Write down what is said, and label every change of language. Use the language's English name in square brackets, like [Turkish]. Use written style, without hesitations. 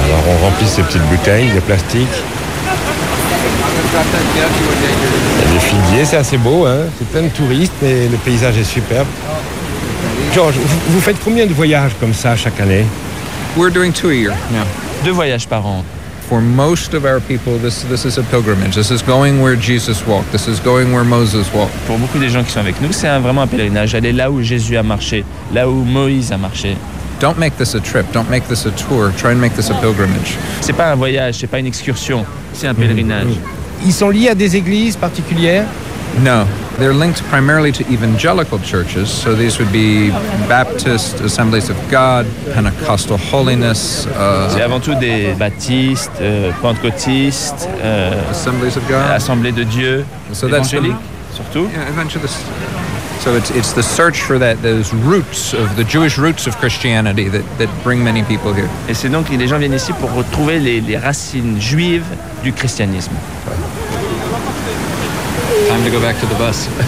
[French] Alors on remplit ces petites bouteilles de plastique. Il y a des figuiers, c'est assez beau, hein. C'est plein de touristes et le paysage est superbe. George, vous faites combien de voyages comme ça chaque année? [English] We're doing two a year. Yeah. [French] Deux voyages par an. [English] For most of our people, this is a pilgrimage. This is going where Jesus walked. This is going where Moses walked. [French] Pour beaucoup des gens qui sont avec nous, c'est vraiment un pèlerinage. Aller là où Jésus a marché, là où Moïse a marché. [English] Don't make this a trip. Don't make this a tour. Try and make this a pilgrimage. [French] C'est pas un voyage, c'est pas une excursion. C'est un pèlerinage. Ils sont liés à des églises particulières? [English] No. They're linked primarily to evangelical churches, so these would be Baptist Assemblies of God, Pentecostal Holiness. [French] C'est avant tout des baptistes, pentecôtistes, [English] Assemblies of God, [French] assemblées de Dieu, so évangéliques, surtout. [English] Yeah, evangelists. So it's the search for that those roots of the Jewish roots of Christianity that bring many people here. [French] Et c'est donc les gens viennent ici pour retrouver les racines juives du christianisme. [English] Time to go back to the bus.